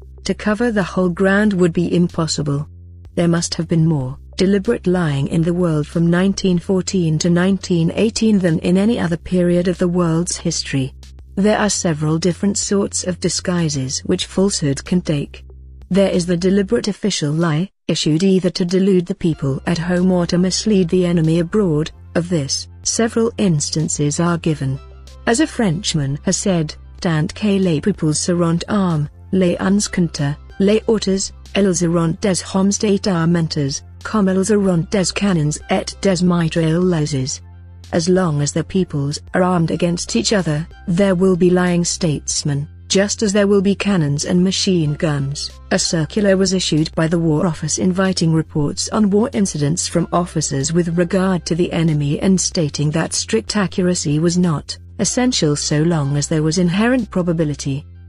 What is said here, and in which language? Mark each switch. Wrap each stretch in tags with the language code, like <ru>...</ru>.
<en>To cover the whole ground would be impossible. There must have been more deliberate lying in the world from 1914 to 1918 than in any other period of the world's history. There are several different sorts of disguises which falsehood can take. There is the deliberate official lie, issued either to delude the people at home or to mislead the enemy abroad. Of this, several instances are given. As a Frenchman has said,</en> <fr>tant que les peuples seront armes, les uns contre les autres, elles auront des hommes d'armes, comme elles auront des cannons et des mitrailleuses.</fr> <en>As long as the peoples are armed against each other, there will be lying statesmen, just as there will be cannons and machine guns. A circular was issued by the War Office inviting reports on war incidents from officers with regard to the enemy and stating that strict accuracy was not essential so long as there was inherent probability.</en>